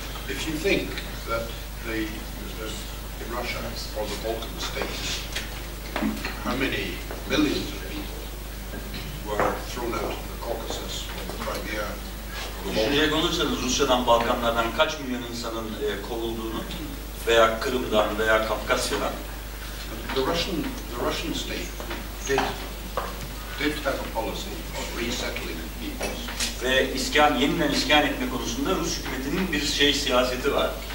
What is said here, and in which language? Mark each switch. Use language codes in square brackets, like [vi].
[en] If you think that the Russia or the Balkan states, how many millions of people were thrown out of the Caucasus or the Crimea? [tr] Şuraya konuşursanız Rusya'dan Balkanlardan kaç milyon insanın kovulduğunu veya Kırım'dan veya Kafkasya'dan. [en] The Russian state did have a policy of resettling peoples. [tr] Ve iskan, yeniden iskan etme konusunda Rus hükümetinin bir şey siyaseti var.